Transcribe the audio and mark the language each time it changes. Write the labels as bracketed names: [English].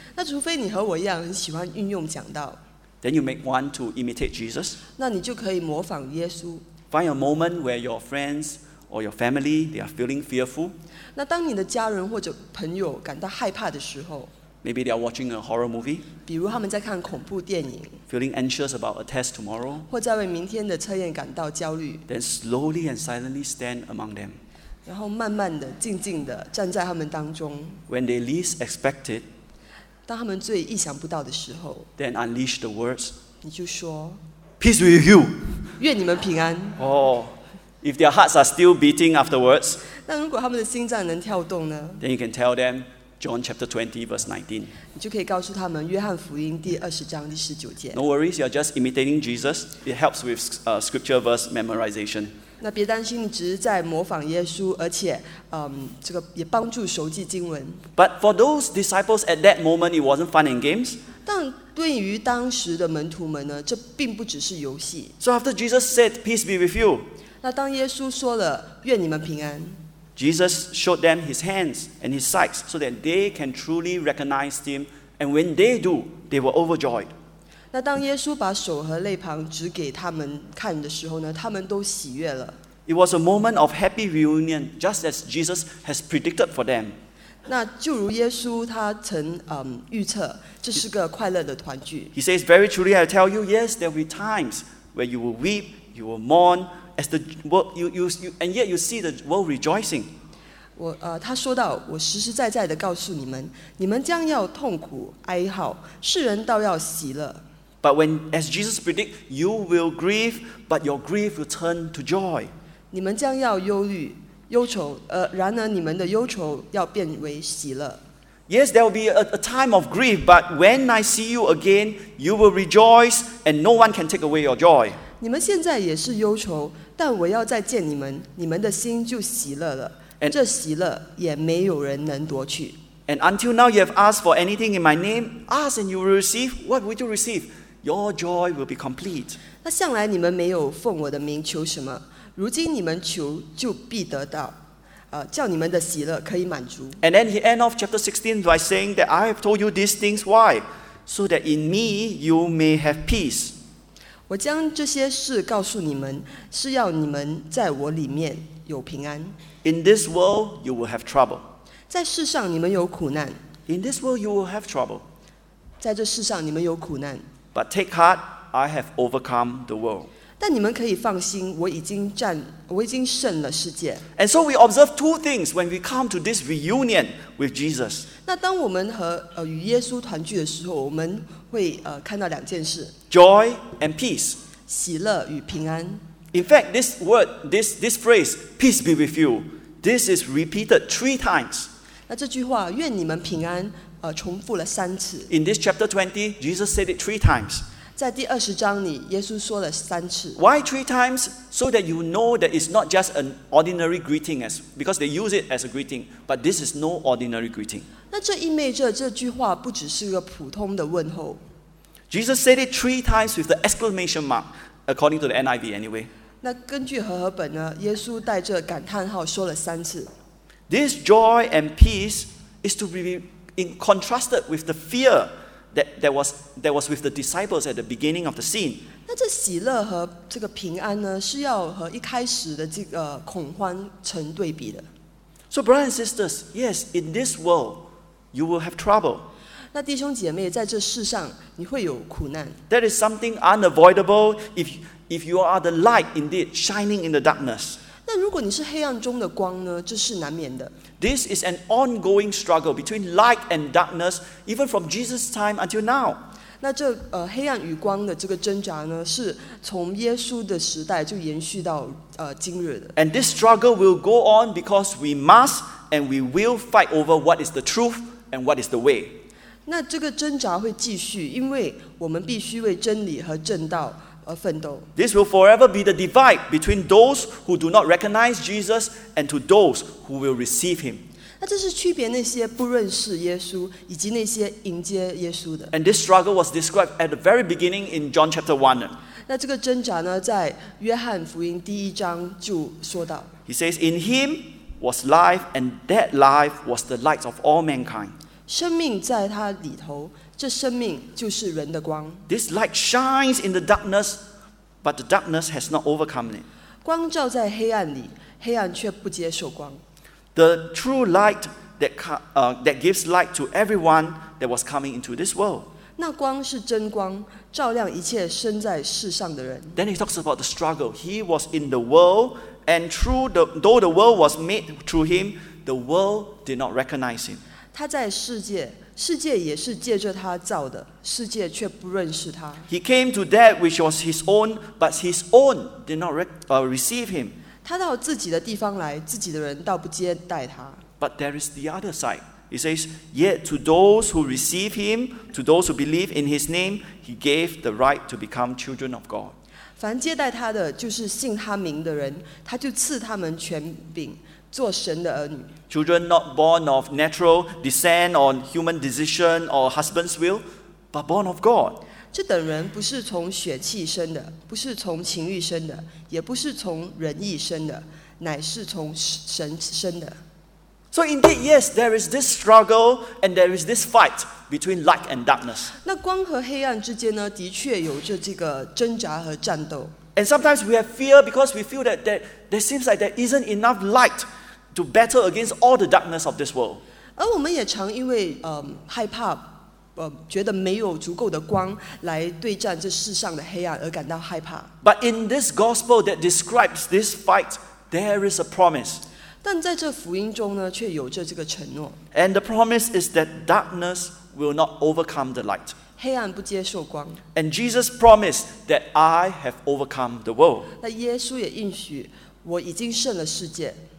[Chinese] 那除非你和我一样很喜欢运用讲道。 [English] Then you make one to imitate Jesus. [Chinese] 那你就可以模仿耶稣。 [English] Find a moment where your friends or your family, they are feeling fearful. [Chinese] 那当你的家人或者朋友感到害怕的时候 [English] Maybe they are watching a horror movie. [Chinese] 比如他们在看恐怖电影。 [English] Feeling anxious about a test tomorrow. [Chinese] 或在为明天的测验感到焦虑。 [English] Then slowly and silently stand among them. [Chinese] 然后慢慢的、静静的站在他们当中。 [English] When they least expect it. [Chinese] 当他们最意想不到的时候。 [English] Then unleash the words. [Chinese] 你就说。 [English] Peace with you. [Chinese] 愿你们平安。 [English] Oh. If their hearts are still beating afterwards, [Chinese] 那如果他们的心脏能跳动呢? [English] Then you can tell them John chapter 20 verse 19. [Chinese] 你就可以告诉他们约翰福音第二十章第十九节。 [English] No worries, you're just imitating Jesus. It helps with scripture verse memorization. [Chinese] 那别担心，你只是在模仿耶稣，而且，这个也帮助熟记经文。 [English] But for those disciples at that moment, it wasn't fun and games. [Chinese] 但对于当时的门徒们呢，这并不只是游戏。 [English] So after Jesus said, "Peace be with you." [Chinese] 那当耶稣说了，愿你们平安。 [English] Jesus showed them his hands and his sides so that they can truly recognize him. And when they do, they were overjoyed. [Chinese] 那当耶稣把手和肋旁指给他们看的时候呢，他们都喜悦了。 [English] It was a moment of happy reunion, just as Jesus has predicted for them. [Chinese] 那就如耶稣他曾预测，这是个快乐的团聚。 [English] He says, "Very truly I tell you, yes, there will be times where you will weep, you will mourn, as the world you and yet you see the world rejoicing." [Chinese] 我他说到，我实实在在的告诉你们，你们将要痛苦哀嚎，世人倒要喜乐。 [English] But when, as Jesus predict, you will grieve, but your grief will turn to joy. [Chinese] 你们将要忧虑。忧愁，然而你们的忧愁要变为喜乐。 [English] Yes, there will be a time of grief, but when I see you again, you will rejoice, and no one can take away your joy. [Chinese] 你们现在也是忧愁，但我要再见你们，你们的心就喜乐了。 And, 这喜乐也没有人能夺去。 [English] And until now, you have asked for anything in my name. Ask, and you will receive. What would you receive? Your joy will be complete. [Chinese] 那向来你们没有奉我的名求什么。如今你们求就必得到，叫你们的喜乐可以满足。 [English] And then he end off chapter 16 by saying that I have told you these things why, so that in me you may have peace. [Chinese] 我将这些事告诉你们，是要你们在我里面有平安。 [English] In this world you will have trouble. [Chinese] 在世上你们有苦难。 [English] In this world you will have trouble. [Chinese] 在这世上你们有苦难。 [English] But take heart, I have overcome the world. [Chinese] 但你们可以放心，我已经胜了世界。 [English] And so we observe two things when we come to this reunion with Jesus. [Chinese] 那当我们和与耶稣团聚的时候，我们会看到两件事。 [English] Joy and peace. [Chinese] 喜乐与平安。 [English] In fact, this word, this phrase, "Peace be with you," this is repeated three times. [Chinese] 那这句话，愿你们平安，重复了三次。 [English] In this chapter 20, Jesus said it three times. [Chinese] 在第二十章里，耶稣说了三次。 [English] Why three times? So that you know that it's not just an ordinary greeting, as because they use it as a greeting, but this is no ordinary greeting. [Chinese] 那这意味着这句话不只是个普通的问候。 [English] Jesus said it three times with the exclamation mark, according to the NIV, anyway. [Chinese] 那根据和合本呢，耶稣带着感叹号说了三次。 [English] This joy and peace is to be in contrasted with the fear. That was with the disciples at the beginning of the scene. [Chinese] 那这喜乐和这个平安呢，是要和一开始的这个恐慌成对比的。 [English] So, brothers and sisters, yes, in this world, you will have trouble. [Chinese] 那弟兄姐妹，在这世上，你会有苦难。 [English] That is something unavoidable if you are the light indeed shining in the darkness. [Chinese] 那如果你是黑暗中的光呢，这是难免的。 [English] This is an ongoing struggle between light and darkness, even from Jesus' time until now. [Chinese] 那这黑暗与光的这个挣扎呢，是从耶稣的时代就延续到今日的。 [English] And this struggle will go on because we must and we will fight over what is the truth and what is the way. [Chinese] 那这个挣扎会继续，因为我们必须为真理和正道而奋斗。 [English] This will forever be the divide between those who do not recognize Jesus and to those who will receive him. [Chinese] 那这是区别那些不认识耶稣以及那些迎接耶稣的。 [English] And this struggle was described at the very beginning in John chapter 1. [Chinese] 那这个挣扎呢，在约翰福音第一章就说到。 [English] He says, "In him was life, and that life was the light of all mankind." [Chinese] 生命在他里头。这生命就是人的光。 [English] This light shines in the darkness, but the darkness has not overcome it. [Chinese] 光照在黑暗里，黑暗却不接受光。 [English] The true light that gives light to everyone that was coming into this world. [Chinese] 那光是真光，照亮一切生在世上的人。 [English] Then he talks about the struggle. He was in the world, and though the world was made through him, the world did not recognize him. [Chinese] 他在世界，世界也是借着他造的，世界却不认识他。 [English] He came to that which was his own, but his own did not receive him. [Chinese] 他到自己的地方来，自己的人倒不接待他。 [English] But there is the other side. He says, yet to those who receive him, to those who believe in his name, he gave the right to become children of God. [Chinese] 凡接待他的就是信他名的人，他就赐他们权柄，做神的儿女。 [English] Children not born of natural descent or human decision or husband's will, but born of God. [Chinese] 这等人不是从血气生的，不是从情欲生的，也不是从人意生的，乃是从神生的。 [English] So indeed, yes, there is this struggle and there is this fight between light and darkness. [Chinese] 那光和黑暗之间呢，的确有着这个挣扎和战斗。 [English] And sometimes we have fear because we feel that there seems like there isn't enough light to battle against all the darkness of this world. [Chinese] 而我们也常因为害怕，觉得没有足够的光来对战这世上的黑暗而感到害怕。 [English] But in this gospel that describes this fight, there is a promise. [Chinese] 但在这福音中呢，却有着这个承诺。 [English] And the promise is that darkness will not overcome the light. [Chinese] 黑暗不接受光。 [English] And Jesus promised that I have overcome the world. [Chinese] 那耶稣也应许，我已经胜了世界。